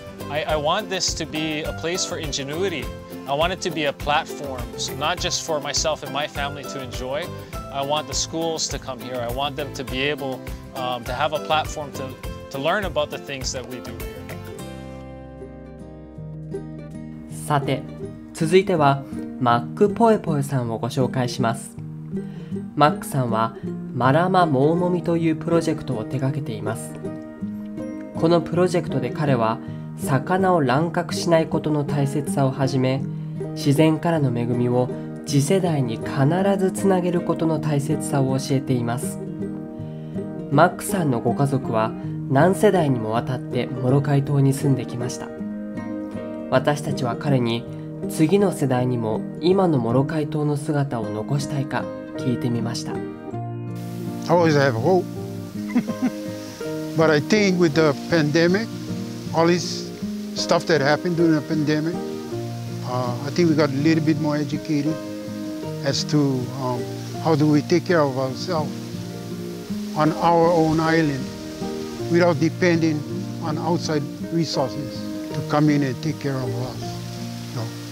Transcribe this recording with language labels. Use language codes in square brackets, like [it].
[en] I want this to be a place for ingenuity. I want it to be a platform, so not just for myself and my family to enjoy. I want the schools to come here. I want them to be able to have a platform to learn about the things that we do here. [ja] さて、続いてはマック・ポエポエさんをご紹介します。マックさんはマラマ・モーモミというプロジェクトを手掛けています。このプロジェクトで彼は魚を乱獲しないことの大切さをはじめ、自然からの恵みを次世代に必ずつなげることの大切さを教えています。マックさんのご家族は何世代にもわたってモロカイ島に住んできました。私たちは彼に次の世代にも今のモロカイ島の姿を残したいか聞いてみました。 [en] I always have hope. But I think with the pandemic, all this stuff that happened during the pandemic, I think we got a little bit more educated as to how do we take care of ourselves on our own island without depending on outside resources to come in and take care of us. No.